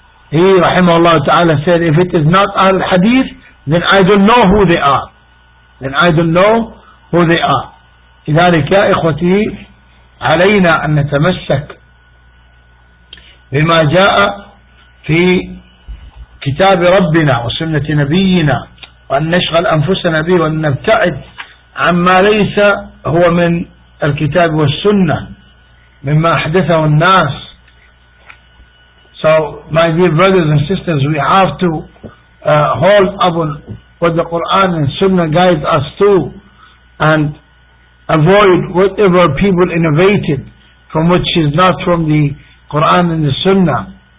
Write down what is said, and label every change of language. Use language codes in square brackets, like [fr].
[en] He [ar] رحمه الله تعالى [en] said if it is not Ahl al-Hadith then I don't know who they are, then I don't know who they are. [ar] لذلك يا إخوتي علينا أن نتمسك بما جاء في كتاب ربنا وسنة نبينا, وأن نشغل أنفسنا به وأن نبتعد عما ليس هو من الكتاب والسنة مما أحدثه الناس. [en] So my dear brothers and sisters, we have to hold upon what the Quran and Sunnah guide us to and avoid whatever people innovated from which is not from the Quran and the Sunnah.